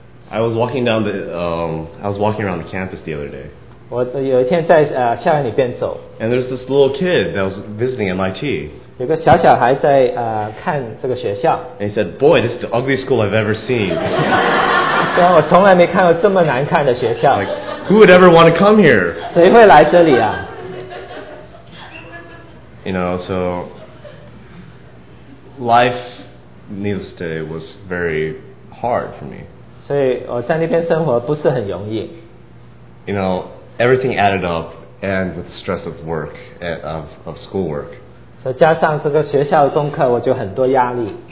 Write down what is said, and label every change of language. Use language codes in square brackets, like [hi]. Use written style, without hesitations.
[en] I was walking around the campus the other day. [zh] 我有一天在校园里边走 [en] ，and there's this little kid that was visiting MIT. [zh] 有个小小孩在看这个学校。 [en] And he said, "Boy, this is the ugliest school I've ever seen." [zh] 对，我从来没看过这么难看的学校。 [en] Like, who would ever want to come here? [zh] 谁会来这里啊？ [en] You know, so life, needless to say, was very hard for me. [zh] 所以我在那边生活不是很容易。 [en] You know, everything added up, and with the stress of work, of schoolwork. [zh] 所以加上这个学校的功课，我就很多压力。